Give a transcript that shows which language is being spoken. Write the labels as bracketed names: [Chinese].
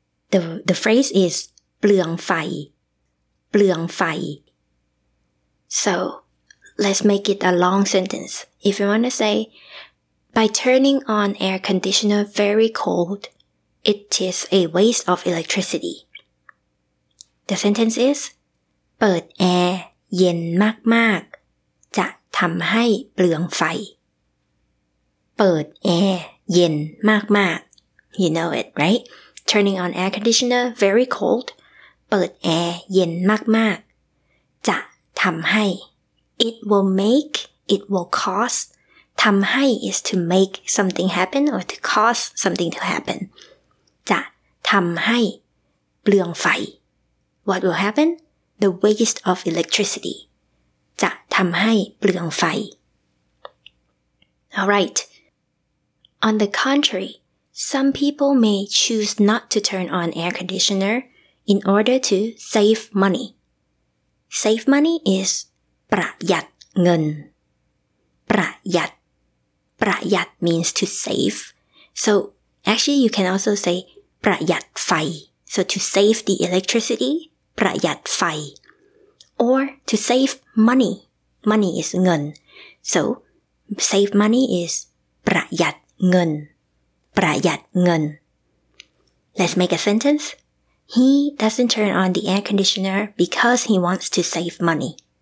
[English] The phrase is bleung fai. Bleung fai. So let's make it a long sentence. If you want to say, by turning on air conditioner very cold, it is a waste of electricity. The sentence is, [Thai] เปิดแอร์เย็นมากๆจะทำให้เปลืองไฟ เปิดแอร์เย็นมากๆ [English] You know it, right? Turning on air conditioner very cold, [Thai] เปิดแอร์เย็นมากๆจะทำให้ [English] It will make, it will cause. ทำให้ is to make something happen or to cause something to happen. [Thai] จะทำให้เปลืองไฟ [English] What will happen? The waste of electricity. [Thai] จะทำให้เปลืองไฟ Alright. [English] On the contrary, some people may choose not to turn on air conditioner in order to save money. Save money is [Thai] ประหยัดเงินประหยัดประหยัด [English] means to save. So actually you can also say ประหยัดไฟ So to save the electricity,ประหยัดไฟ or to save money money is เงิน so save money is [Thai] ประหยัดเงินประหยัดเงิน [English] let's make a sentence he doesn't turn on the air conditioner because he wants to save money